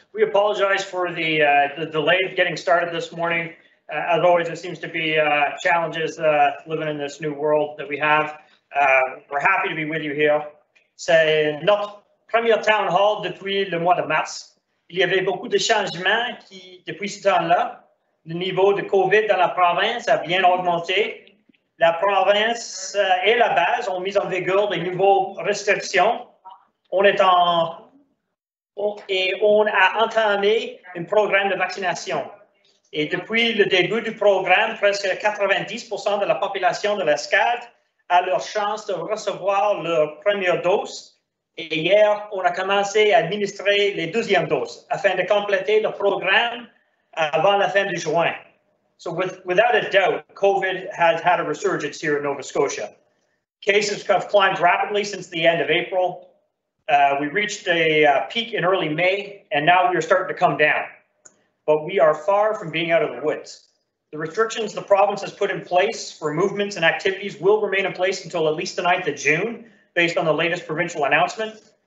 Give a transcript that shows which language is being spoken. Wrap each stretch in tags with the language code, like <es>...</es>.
<en>We apologize for the delay of getting started this morning. As always, there seems to be challenges living in this new world that we have. We're happy to be with you here.</en> <fr>C'est notre premier town hall depuis le mois de mars. Il y avait beaucoup de changements qui, depuis ce temps-là. Le niveau de COVID dans la province a bien augmenté. La province et la base ont mis en vigueur des nouvelles restrictions. On a entamé un programme de vaccination. Et depuis le début du programme, presque 90% de la population de l'escadre a leur chance de recevoir leur première dose. Et hier, on a commencé à administrer les deuxièmes doses afin de compléter le programme avant la fin du juin.</fr> <en>So without a doubt, COVID has had a resurgence here in Nova Scotia. Cases have climbed rapidly since the end of April. We reached a peak in early May, and now we are starting to come down. But we are far from being out of the woods. The restrictions the province has put in place for movements and activities will remain in place until at least the 9th of June, based on the latest provincial announcement.</en>